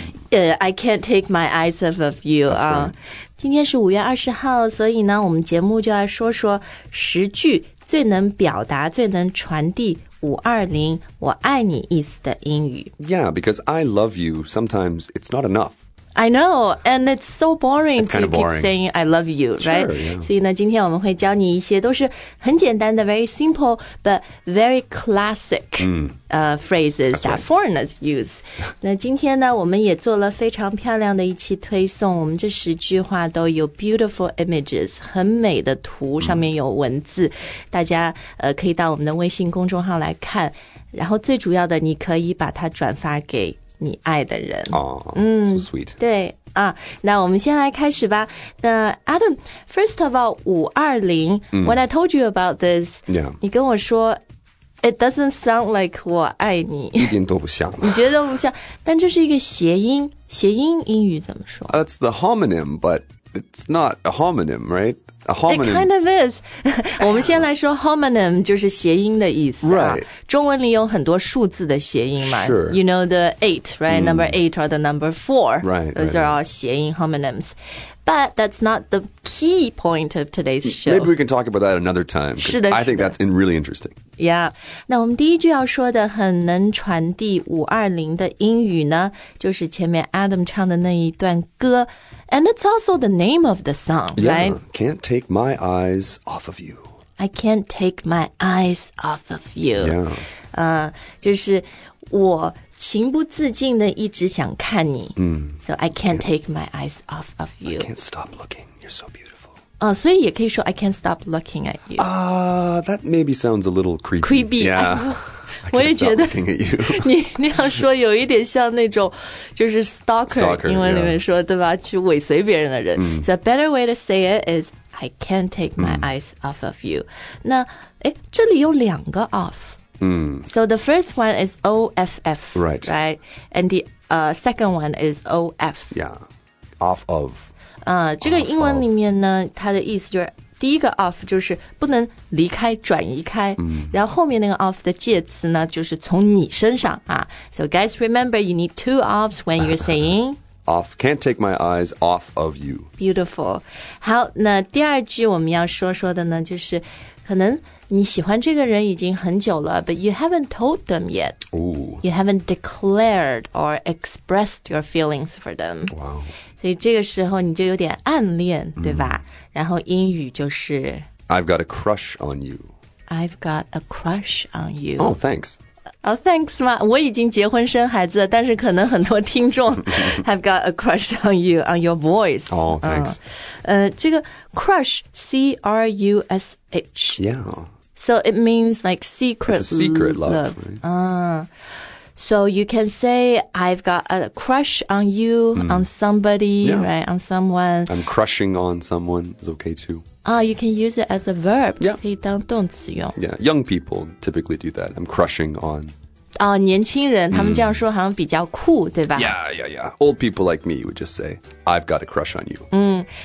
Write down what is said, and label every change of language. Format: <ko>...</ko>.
<en>I can't take my eyes off of you. 啊，</en> <zh>今天是5月20号，所以呢，我们节目就要说说十句最能表达、最能传递520我爱你意思的英语。</zh> <en>Yeah, because I love you. Sometimes it's not enough. I know, and it's so boring to keep saying I love you, right? Sure, yeah.</en> <zh>所以呢，今天我们会教你一些都是很简单的</zh> <en>very simple, but very classic、phrases、 That's、 that、 foreigners use.</en> <zh>那今天呢，我们也做了非常漂亮的一期推送，我们这十句话都有</zh> <en>beautiful images,</en> <zh>很美的图、上面有文字，大家、可以到我们的微信公众号来看，然后最主要的你可以把它转发给你爱的人。</zh> <en>Oh, so sweet.</en> <zh>对啊，那我们先来开始吧。那</zh> <en>Adam, first of all, 520, when I told you about this, yeah,</en> <zh>你跟我说</zh> <en>it doesn't sound like</en> <zh>我爱你。一点都不像。你觉得都不像，但这是一个谐音，谐音英语怎么说？</zh> <en>That's the homonym, but it's not a homonym, right? A homonym. It kind of is.</en> <zh>我们先来说 homonym 就是谐音的意思、啊。</zh> <en>Right.</en> <zh>中文里有很多数字的谐音嘛。</zh> <en>Sure. You know the 8, right?、Number 8 or the number 4. Right. Those right, are all</en> <zh>谐音</zh> <en>homonyms. But that's not the key point of today's show. Maybe we can talk about that another time.</en> <zh>是的，是的。</zh> <en>I think that's really interesting. Yeah.</en> <zh>那我们第一句要说的很能传递520的英语呢，就是前面 Adam 唱的那一段歌。</zh> <en>And it's also the name of the song, yeah, right? Yeah, can't take my eyes off of you. I can't take my eyes off of you. Yeah.</en> <zh>就是我情不自禁的一直想看你。</zh> <en>So I can't take my eyes off of you. I can't stop looking. You're so beautiful.</en> <zh>所以也可以说</zh> <en>I can't stop looking at you. That maybe sounds a little creepy. Creepy. Yeah.</en> <zh>我也觉得你那样说有一点像那种就是 stalker 英文里面说、</zh> <en>yeah.</en> <zh>对吧，去尾随别人的人、</zh> <en>So a better way to say it is I can't take my eyes off of you.</en> <zh>那这里有两个</zh> <en>off、So the first one is off, right? Right. And the、second one is of. Yeah, off of、</en> <zh>这个英文里面呢它的意思就是第一个 off 就是不能离开转移开、然后后面那个 off 的介词呢就是从你身上啊。</zh> <en>So guys remember you need two offs when you're saying off, can't take my eyes off of you. Beautiful.</en> <zh>好，那第二句我们要说说的呢就是可能你喜欢这个人已经很久了</zh> <en>but you haven't told them yet. Ooh. You haven't declared or expressed your feelings for them. Wow.</en> <zh>所以这个时候你就有点暗恋对吧、然后英语就是</zh> <en>I've got a crush on you. I've got a crush on you. Oh, thanks. Oh, thanks,</en> <zh>嘛我已经结婚生孩子了但是可能很多听众</zh> <en>have got a crush on you, on your voice. Oh, thanks.</en> <zh>这个 crush, C-R-U-S-H.</zh> <en>Yeah. So it means like secret love. It's a secret love. Love. Right? So you can say I've got a crush on you, on somebody,、right, on someone. I'm crushing on someone is okay too. You can use it as a verb. Yeah.</en> <zh>可以当动词用。</zh> <en>Yeah, young people typically do that. I'm crushing on.</en> <zh>年轻人、他们这样说好像比较酷对吧</zh> <en>Yeah, yeah, yeah. Old people like me would just say, I've got a crush on you.</en>